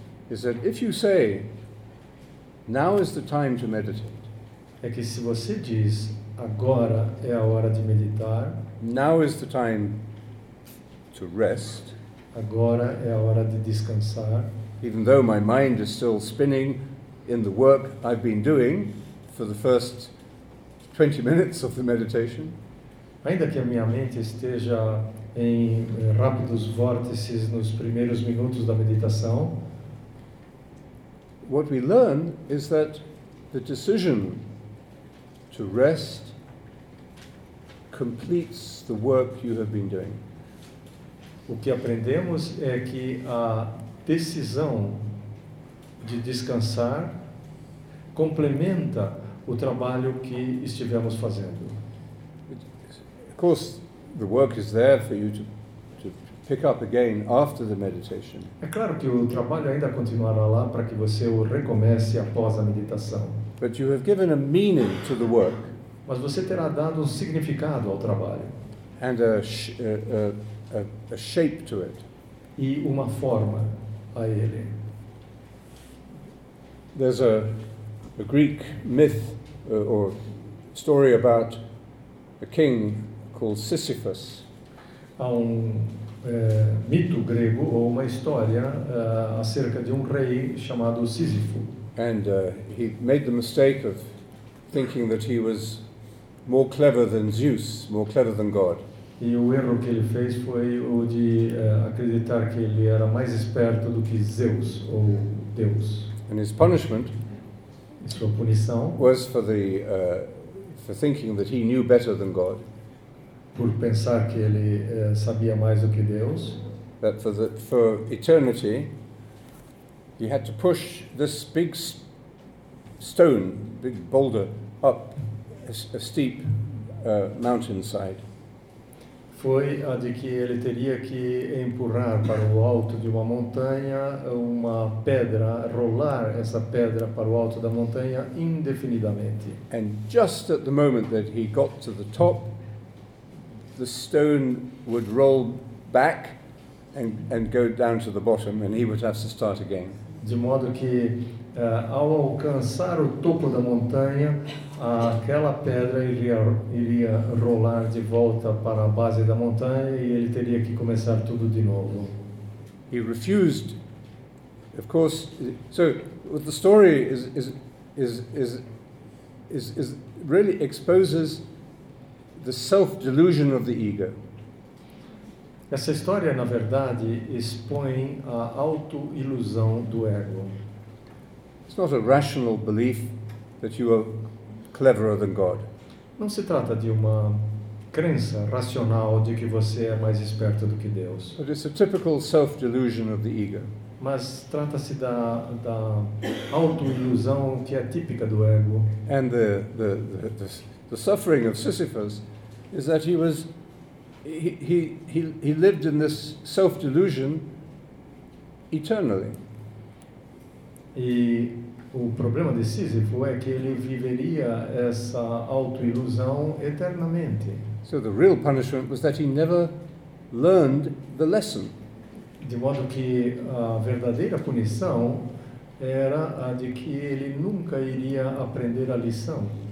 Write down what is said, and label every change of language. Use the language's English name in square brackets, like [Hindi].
[English] is that if you say, now is the time to meditate, [Portuguese] é que se você diz agora é a hora de meditar, [English] now is the time to rest, [Portuguese] agora é a hora de descansar, [English] even though my mind is still spinning in the work I've been doing for the first 20 minutes of the meditation, [Portuguese] ainda que a minha mente esteja em rápidos vórtices nos primeiros minutos da meditação, [English] what we learn is that the decision to rest completes the work you have been doing. [Portuguese] O que aprendemos é que a decisão de descansar complementa o trabalho que estivemos fazendo. [English] Of course, the work is there for you to pick up again after the meditation. [Portuguese] É claro que o trabalho ainda continuará lá para que você o recomece após a meditação. [English] But you have given a meaning to the work. [Portuguese] Mas você terá dado um significado ao trabalho. [English] And a shape to it. [Portuguese] E uma forma a ele. [English] There's a Greek myth or story about a king called Sisyphus. [Portuguese] Há um mito grego ou uma história acerca de um rei chamado Sísifo. [English] And he made the mistake of thinking that he was more clever than Zeus, more clever than God. [Portuguese] E o erro que ele fez foi o de acreditar que ele era mais esperto do que Zeus ou Deus. [English] And his punishment, [Portuguese] e sua punição, [English] was for the for thinking that he knew better than God. [Portuguese] Por pensar que ele sabia mais do que Deus. [English] That for the, for eternity, he had to push this big stone, big boulder, up a steep mountainside. [Portuguese] Foi a de que ele teria que empurrar para o alto de uma montanha uma pedra, rolar essa pedra para o alto da montanha indefinidamente. [English] And just at the moment that he got to the top, the stone would roll back and go down to the bottom, and he would have to start again. [Portuguese] De modo que ao alcançar o topo da montanha, aquela pedra iria rolar de volta para a base da montanha e ele teria que começar tudo de novo. [English] He refused, of course. So the story is really exposes the self-delusion of the ego. [Portuguese] Essa história, na verdade, expõe a autoilusão do ego. [English] It's not a rational belief that you are cleverer than God. [Portuguese] Não se trata de uma crença racional de que você é mais esperto do que Deus. [English] But it's a typical self-delusion of the ego. [Portuguese] Mas trata-se da autoilusão que é típica do ego. [English] And the suffering of Sisyphus is that he lived in this self-delusion eternally. [Portuguese] E o problema de Sísifo é que ele viveria essa autoilusão eternamente. [English] So the real punishment was that he never learned the lesson. [Portuguese] De modo que a verdadeira punição era a de que ele nunca iria aprender a lição.